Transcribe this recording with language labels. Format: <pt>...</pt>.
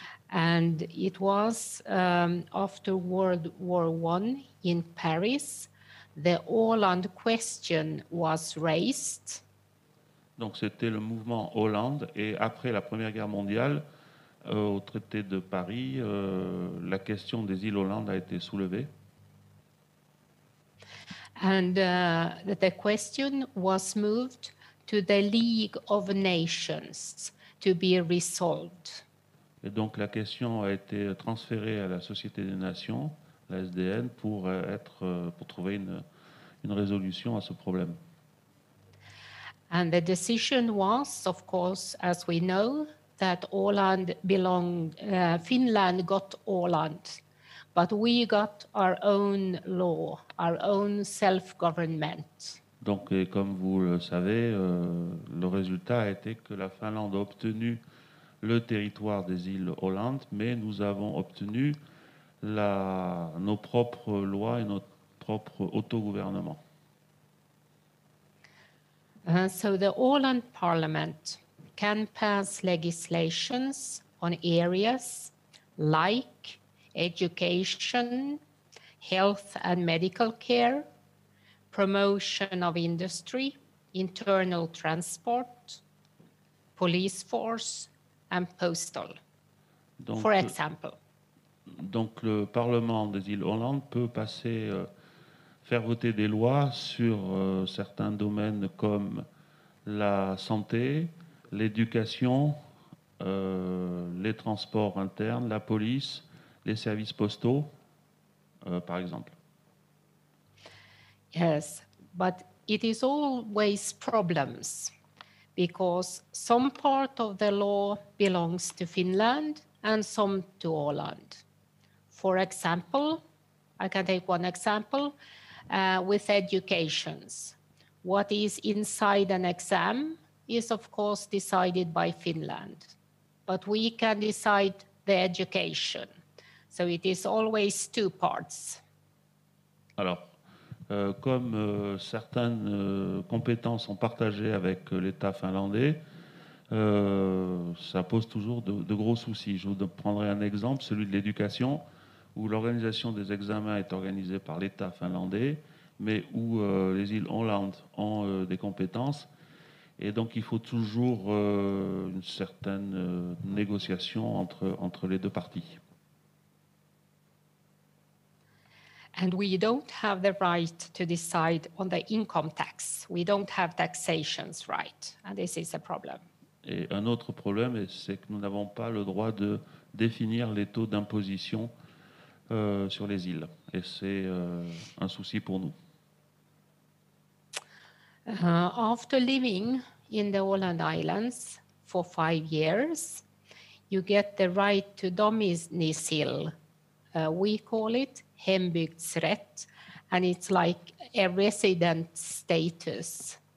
<en>And it was after World War I in Paris, the Åland question was raised.</en> <fr>Donc c'était le mouvement Åland, et après la Première Guerre mondiale, au traité de Paris, la question des îles Åland a été soulevée.</fr> <en>And the question was moved to the League of Nations to be resolved.</en> <fr>Et donc la question a été transférée à la Société des Nations, la SDN, pour trouver une résolution à ce problème.</fr> <en>And the decision was, of course, as we know, that Åland belonged, Finland got Åland, but we got our own law, our own self-government.</en> <fr>Donc, comme vous le savez, le résultat a été que la Finlande a obtenu le territoire des îles Åland, mais nous avons obtenu nos propres lois et notre propre autogouvernement.</fr> <en>So the Åland Parliament can pass legislations on areas like education, health and medical care, promotion of industry, internal transport, police force, and postal, donc, for example.</en> <fr>Donc le Parlement des îles Åland peut faire voter des lois sur certains domaines comme la santé, l'éducation, les transports internes, la police, les services postaux, par exemple.</fr> <en>Yes, but it is always problems because some part of the law belongs to Finland and some to Åland. For example, I can take one example with educations. What is inside an exam is, of course, decided by Finland, but we can decide the education. So it is always two parts.</en> <fr>Alors, comme certaines compétences sont partagées avec l'État finlandais, ça pose toujours de gros soucis. Je vous prendrai un exemple, celui de l'éducation, où l'organisation des examens est organisée par l'État finlandais, mais où les îles Åland ont des compétences. Et donc, il faut toujours une certaine négociation entre les deux parties.</fr> <en>And we don't have the right to decide on the income tax. We don't have taxation's right. And this is a problem.</en> <fr>Et un autre problème, c'est que nous n'avons pas le droit de définir les taux d'imposition sur les îles. Et c'est un souci pour nous.</fr> <en>After living in the Åland Islands for 5 years, you get the right to domicile. We call it hembygdsrätt, and it's like a resident status.</en>